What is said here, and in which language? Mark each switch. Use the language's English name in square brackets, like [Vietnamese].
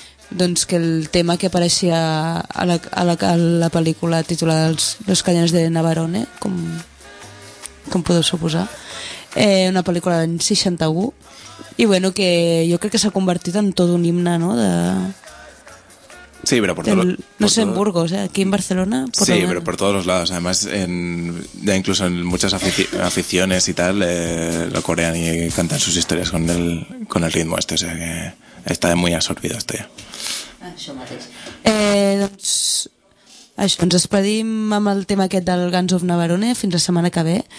[Catalan] doncs, que el tema que apareixia a la pel·lícula titulada Els Canyons de Navarone, com podeu suposar, una pel·lícula d'any 61, i bueno, que jo crec que s'ha convertit en tot un himne, no? De... [Spanish] Sí, pero por todos... No sé, en Burgos, aquí en Barcelona... Por sí, pero por todos los lados. Además, ya incluso en muchas aficiones y tal, lo corean y cantan sus historias con el ritmo este. O sea, que está muy absorbido esto ya. [Catalan] Això mateix. Això, ens despedim amb el tema aquest del Guns of Navarone fins la setmana que ve.